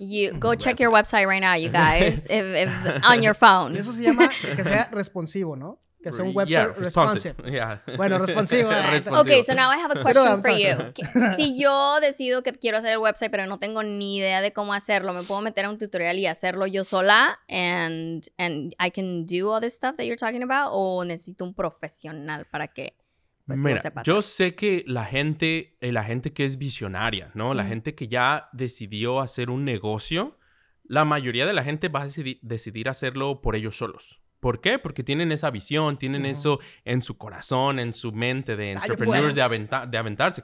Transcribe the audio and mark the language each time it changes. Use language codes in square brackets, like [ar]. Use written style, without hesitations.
[en] You go check your website right now, you guys, if on your phone. [es] Eso se llama que sea responsivo, ¿no? Que sea un website responsive. Bueno, responsivo. [en] Ok, so now I have a question for you. [es] Si yo decido que quiero hacer el website, pero no tengo ni idea de cómo hacerlo, ¿me puedo meter a un tutorial y hacerlo yo sola? [en] And I can do all this stuff that you're talking about? [es] ¿O necesito un profesional para que Mira, yo sé que la gente que es visionaria, ¿no? La gente que ya decidió hacer un negocio, la mayoría de la gente va a decidir hacerlo por ellos solos. ¿Por qué? Porque tienen esa visión, tienen eso en su corazón, en su mente de entrepreneurs, de aventarse.